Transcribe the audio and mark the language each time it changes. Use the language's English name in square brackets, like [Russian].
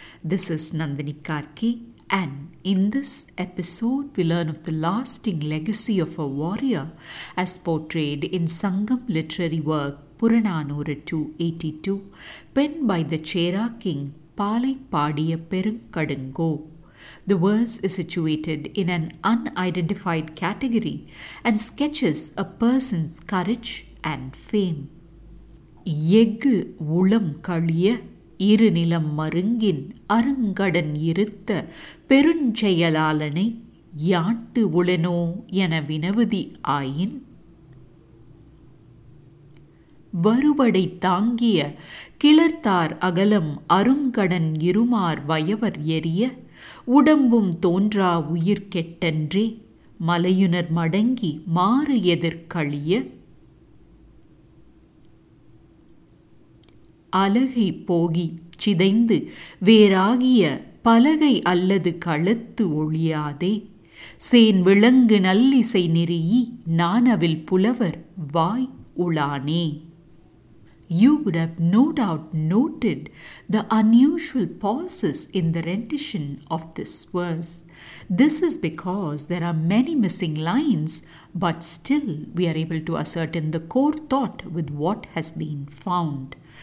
[English] This is Nandini Karki, and in this episode we learn of the lasting legacy of a warrior as portrayed in Sangam literary work Puranaanooru 282, penned by the Chera king Paalai Paadiya Perunkadunko. The verse is situated in an unidentified category and sketches a person's courage and fame. [Tamil] எஃகு உளம் கழிய இருநிலம் மருங்கின் அருங்கடன் இருத்த பெருஞ்செயலாளனை யாண்டு உளனோ என வினவுதி ஆயின். வருவடை தாங்கிய கிளர்த்தார் அகலம் அருங்கடன் இருமார் வயவர் எரிய உடம்பும் தோன்றா உயிர் கெட்டன்றே மலையுனர் மடங்கி மாறு எதிர்கழிய அலகை போகி சிதைந்து வேறாகிய பலகை அல்லது கழுத்து ஒழியாதே சேன் விளங்கு நல்லிசை நெறியி நானவில் புலவர் வாய் உளானே. [English] You would have no doubt noted the unusual pauses in the rendition of this verse. This is because there are many missing lines, but still we are able to ascertain the core thought with what has been found.